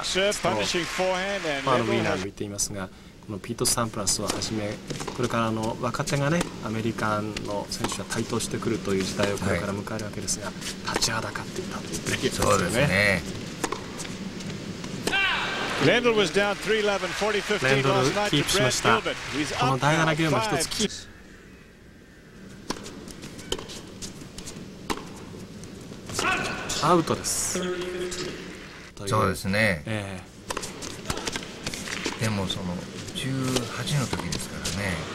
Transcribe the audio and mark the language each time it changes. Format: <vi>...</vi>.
<ja>ファールウィナーを見ていますが、このピート・サンプラスをはじめこれからの若手がね、アメリカの選手が台頭してくるという時代をこれから迎えるわけですが、はい、立ちはだかっていたというプレーですよね。そうですね。</ja> <en>Lendl was down 3-11, 40-15 last night to Brad Gilbert. He's up now</en> <ja>この第7ゲームは一つキープ。アウトです。そうですね、でもその18の時ですからね。</ja>